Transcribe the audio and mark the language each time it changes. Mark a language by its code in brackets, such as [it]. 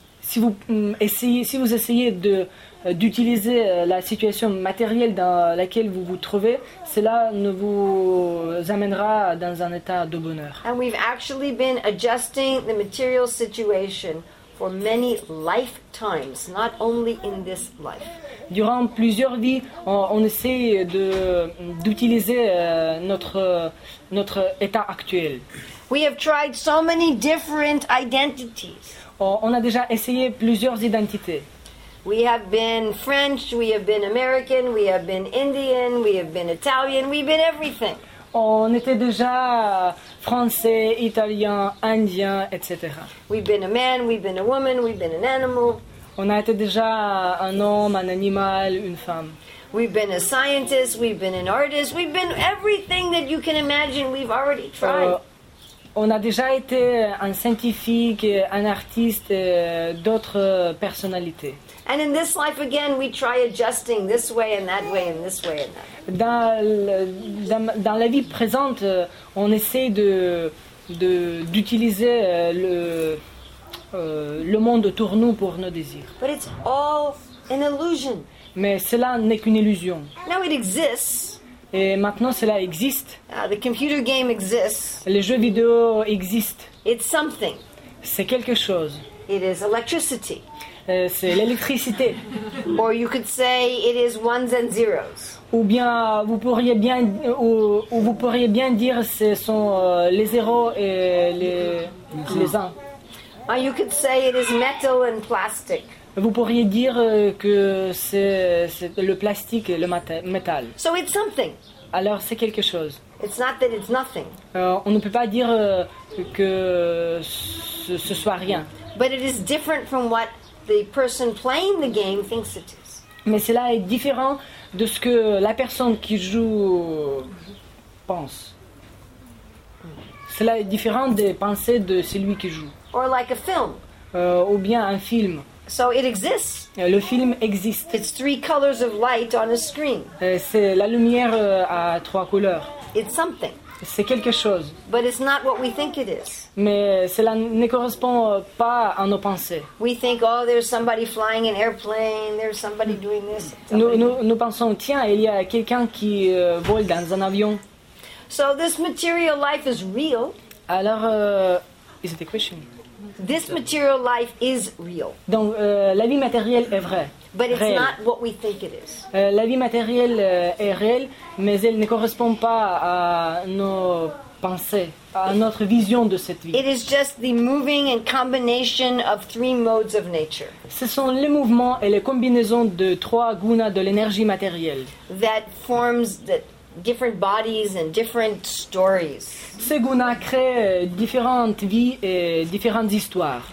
[fr] Si vous essayez d'utiliser la situation matérielle dans laquelle vous vous trouvez, cela ne vous amènera dans un état de bonheur. [en] And we've actually been adjusting the material situation for many lifetimes, not only in this life. [fr] Durant plusieurs vies, on essaie d'utiliser notre état actuel. [en] We have tried so many different identities. [fr] On a déjà essayé plusieurs identités. [en] We have been French, we have been American, we have been Indian, we have been Italian, we've been everything. [fr] On était déjà français, italien, indien, etc. [en] We've been a man, we've been a woman, we've been an animal. [fr] On a été déjà un homme, un animal, une femme. [en] We've been a scientist, we've been an artist, we've been everything that you can imagine, we've already tried. [fr] On a déjà été un scientifique, un artiste, d'autres personnalités. [en] And in this life again, we try adjusting this way and that way and this way and that. [fr] Dans la vie présente, on essaie d'utiliser le monde autour nous pour nos désirs. [en] But it's all an illusion. [fr] Mais cela n'est qu'une illusion. [en] Now it exists. [fr] Et maintenant cela existe. [en] The computer game exists. [fr] Les jeux vidéo existent. [en] It's something. [fr] C'est quelque chose. [en] it is electricity. [fr] C'est l'électricité. [en] Or you could say it is ones and zeros. [fr] Ou bien vous pourriez bien ou vous pourriez bien dire ce sont les zéros et les uns. [en] Or you could say it is metal and plastic. [fr] Vous pourriez dire que c'est le plastique et le métal. [en] So it's something. [fr] Alors c'est quelque chose. [en] It's not that it's nothing. [fr] On ne peut pas dire que ce soit rien. [en] But it is different from what the person playing the game thinks it is. [fr] Mais cela est différent de ce que la personne qui joue pense. Cela est différent des pensées de celui qui joue. [en] Or like a film. [fr] Ou bien un film. [en] So it exists. [fr] Le film existe. [en] It's three colors of light on a screen. [fr] C'est la lumière à trois couleurs. [en] It's something. [fr] C'est quelque chose. [en] But it's not what we think it is. [fr] Mais cela ne correspond pas à nos pensées. [en] We think, oh, there's somebody flying an airplane. There's somebody doing this. [fr] Nous pensons, tiens, il y a quelqu'un qui vole dans un avion. [en] So this material life is real. Alors, is it a question? This material life is real. [fr] Donc, la vie matérielle est vraie. [en] But it's not what we think it is. [fr] La vie matérielle est réelle, mais elle ne correspond pas à nos pensées, à notre vision de cette vie. [en] It is just the moving and combination of three modes of nature. [fr] Ce sont les mouvements et les combinaisons de trois gunas de l'énergie matérielle. [en] That forms the different bodies and different stories. [fr] Ce guna crée différentes vies et différentes histoires.